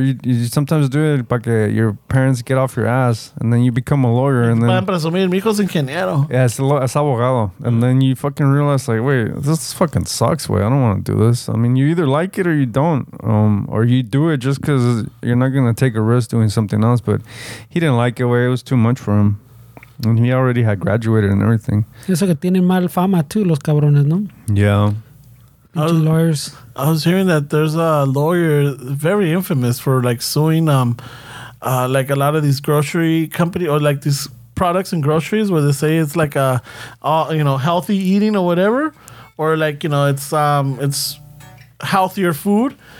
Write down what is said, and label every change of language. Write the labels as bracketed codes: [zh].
[en] You sometimes do it because your parents get off your ass, and then you become a lawyer, and then. [es] Presumir, mi hijo es ingeniero. [en] Yeah, [es] es abogado, [en] and then you fucking realize like, wait, this fucking sucks. Way, I don't want to do this. I mean, you either like it or you don't, or you do it just because you're not going to take a risk doing something else. But he didn't like it, way. It was too much for him. And he already had graduated and everything. [es] Eso que tienen mal fama too, los cabrones, ¿no? [en] Yeah. Lawyers. I was hearing that there's a lawyer very infamous for like suing like a lot of these grocery company or like these products and groceries where they say it's like healthy eating or whatever. Or like, you know, it's healthier food.